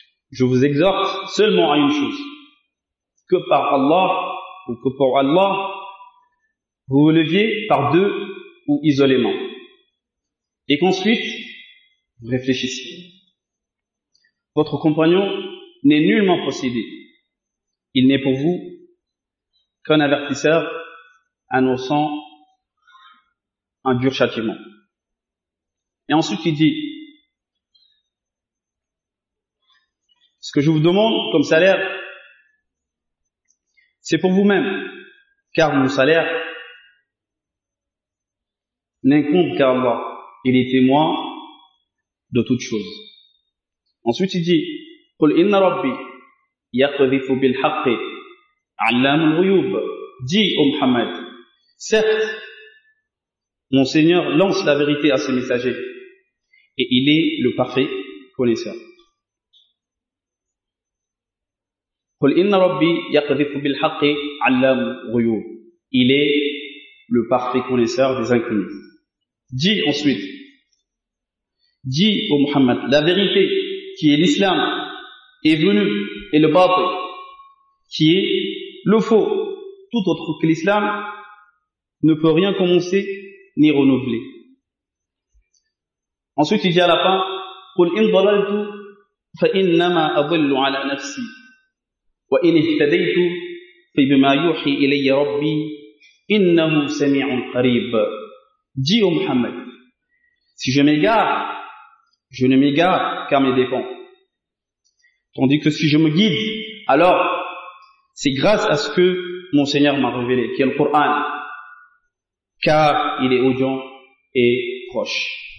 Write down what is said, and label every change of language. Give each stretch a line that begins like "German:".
French: je vous exhorte seulement à une chose, que par Allah ou que pour Allah vous vous leviez par deux ou isolément et qu'ensuite vous réfléchissiez. Votre compagnon n'est nullement possédé, il n'est pour vous qu'un avertisseur annonçant un dur châtiment. Et ensuite il dit: ce que je vous demande comme salaire, c'est pour vous-même, car mon salaire n'incombe qu'à Allah. Il est témoin de toute chose. Ensuite, il dit:
Arabic: قُلْ إِنَّ رَبِّي يَقْذِفُ بِالْحَقِّ عَلَّامُ الْغُيُوبِ.
French: Dis, ô Muhammad, certes, mon Seigneur lance la vérité à ses messagers, et il est le parfait connaisseur.
Arabic: قُلْ إِنَّ رَبِّي يَقْذِفُ بِالْحَقِّ عَلَّامُ الْغُيُوبِ.
French: Il est le parfait connaisseur des inconnus. Dis ensuite, dis au Muhammad, la vérité qui est l'islam est venue, et le bâti qui est le faux, tout autre que l'islam, ne peut rien commencer ni renouveler. Ensuite il dit à la fin:
Arabic: قُلْ إِنْ ضَلَلْتُ فَإِنَّمَا أَضِلُّ عَلَى نَفْسِي وَإِنْ اهْتَدَيْتُ فَبِمَا يُوحِي إِلَيَّ رَبِّي إِنَّهُ سَمِيعٌ قَرِيبٌ.
French: Dis au Muhammad, si je m'égare, je ne m'égare qu'à mes dépens. Tandis que si je me guide, alors c'est grâce à ce que mon Seigneur m'a révélé, qui est le Coran, car il est audient et proche.